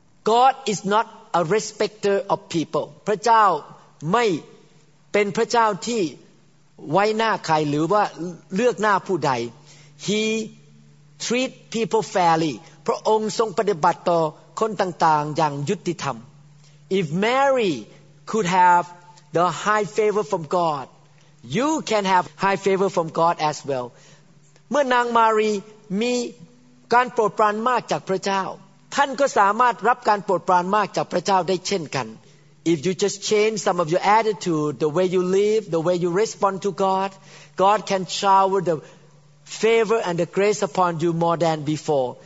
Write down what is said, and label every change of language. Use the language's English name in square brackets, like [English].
[English] God is not a respecter of people [Thai] พระเจ้าไม่เป็นพระเจ้าที่ไว้หน้าใครหรือว่าเลือกหน้าผู้ใด [English] He treat people fairly [Thai] พระองค์ทรงปฏิบัติต่อคนต่างๆอย่างยุติธรรม [English] If MaryCould have the high favor from God. You can have high favor from God as well. [Thai] เมื่อนางมารีมีการโปรดปรานมากจากพระเจ้าท่านก็สามารถรับการโปรดปรานมากจากพระเจ้าได้เช่นกัน [English] If you just change some of your attitude, the way you live, the way you respond to God, God can shower the favor and the grace upon you more than before.